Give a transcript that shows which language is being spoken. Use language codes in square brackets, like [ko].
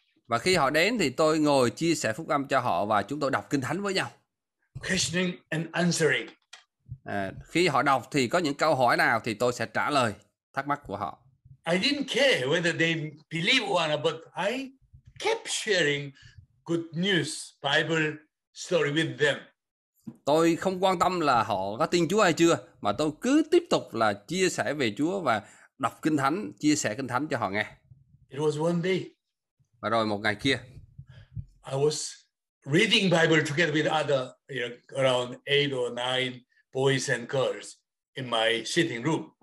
[vi] Và khi họ đến thì tôi ngồi chia sẻ phúc âm cho họ và chúng tôi đọc kinh thánh với nhau. [en] Questioning and answering. [vi] Khi họ đọc thì có những câu hỏi nào thì tôi sẽ trả lời thắc mắc của họ. [en] I didn't care whether they believe or not, but I kept sharing good news, Bible story with them. [vi] Tôi không quan tâm là họ có tin Chúa hay chưa, mà tôi cứ tiếp tục là chia sẻ về Chúa và đọc kinh thánh, chia sẻ kinh thánh cho họ nghe. [en] It was one day. [vi] Và rồi một ngày kia, [en] I was reading Bible together with other, you know, around 8 or 9 boys and girls in my sitting room.